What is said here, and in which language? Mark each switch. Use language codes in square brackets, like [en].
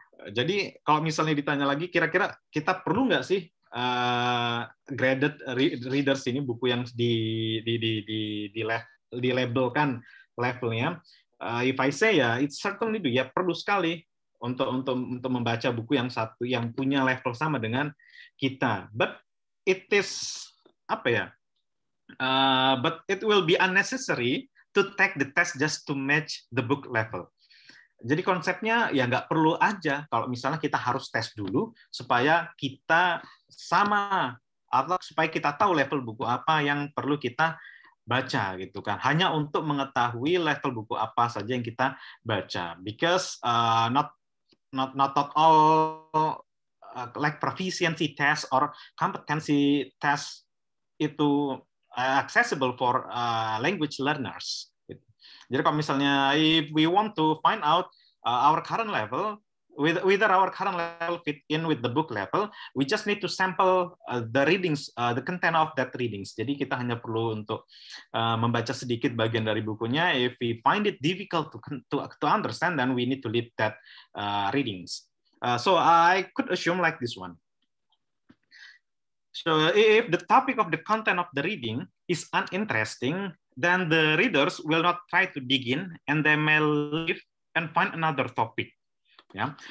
[id] Jadi kalau misalnya ditanya lagi, kira-kira kita perlu nggak sih graded readers ini, buku yang di labelkan levelnya? [en] If I say ya, it's certainly do. [id] Ya perlu sekali untuk membaca buku yang satu yang punya level sama dengan kita. [en] But it is [id] apa ya? [en] But it will be unnecessary to take the test just to match the book level. [id] Jadi konsepnya ya nggak perlu aja kalau misalnya kita harus tes dulu supaya kita sama atau supaya kita tahu level buku apa yang perlu kita baca gitu kan. Hanya untuk mengetahui level buku apa saja yang kita baca. [en] Because not all like proficiency test or competency test itu accessible for language learners. [id] Jadi kalau misalnya [en] if we want to find out our current level, whether our current level fit in with the book level, we just need to sample the readings, the content of that readings. [id] Jadi kita hanya perlu untuk membaca sedikit bagian dari bukunya. [en] If we find it difficult to understand, then we need to leave that readings. So I could assume like this one. So if the topic of the content of the reading is uninteresting, then the readers will not try to dig in and they may leave and find another topic. Yeah.